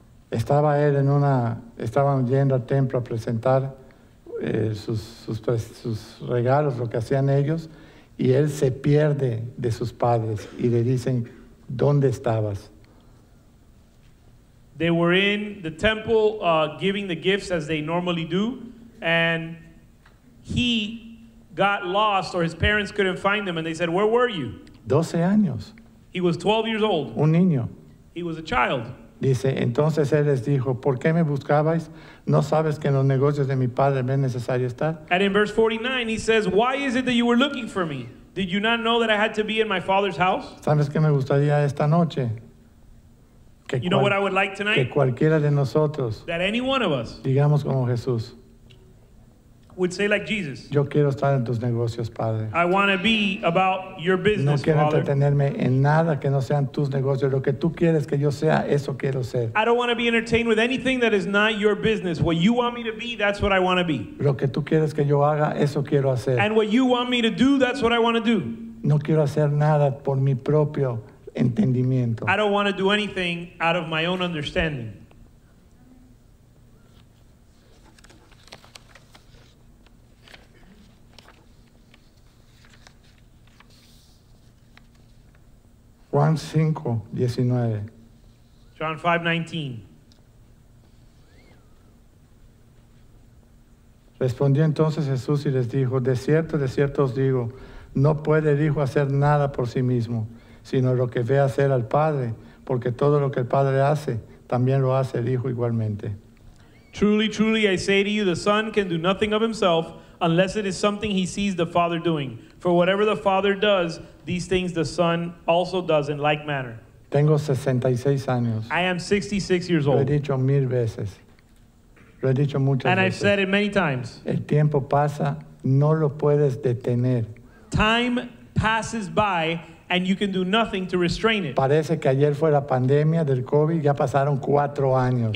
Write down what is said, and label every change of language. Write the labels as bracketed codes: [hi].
[es] Estaba él en una, estaban yendo al templo a presentar sus regalos, lo que hacían ellos, y él se pierde de sus padres y le dicen, ¿dónde estabas? [en] They were in the temple giving the gifts as they normally do, and he got lost, or his parents couldn't find him, and they said, where were you? [es] 12 años. [en] He was 12 years old. [es] Un niño. [en] He was a child. [es] Dice, entonces él les dijo, ¿por qué me buscabais? ¿No sabes que en los negocios de mi padre me es necesario estar? [en] And in verse 49, he says, why is it that you were looking for me? Did you not know that I had to be in my father's house? [es] ¿Sabes qué me gustaría esta noche? [en] Que you know what I would like tonight? [es] Que cualquiera de nosotros, [en] that any one of us, [es] digamos como Jesús, [en] would say like Jesus. [es] Yo quiero estar en tus negocios, Padre. [en] I want to be about your business, [es] no quiero [en] Father. [es] Entretenerme en nada que no sean tus negocios. Lo que tú quieres que yo sea, eso quiero ser. [en] I don't want to be entertained with anything that is not your business. What you want me to be, that's what I want to be. [es] Lo que tú quieres que yo haga, eso quiero hacer. [en] And what you want me to do, that's what I want to do. [es] No quiero hacer nada por mi propio entendimiento. [en] I don't want to do anything out of my own understanding. [es] Juan 5:19. [en] John 5:19. [es] Respondió entonces Jesús y les dijo, de cierto os digo, no puede el Hijo hacer nada por sí mismo, sino lo que ve hacer al Padre, porque todo lo que el Padre hace, también lo hace el Hijo igualmente. [en] Truly, truly, I say to you, the Son can do nothing of himself unless it is something he sees the Father doing. For whatever the Father does, these things the Son also does in like manner. [es] Tengo 66 años. [en] I am 66 years old. [es] Lo he dicho mil veces. Lo he dicho muchas veces. [en] And I've said it many times. [es] El tiempo pasa, no lo puedes detener. [en] Time passes by and you can do nothing to restrain it. [es] Parece que ayer fue la pandemia del COVID, ya pasaron 4 años.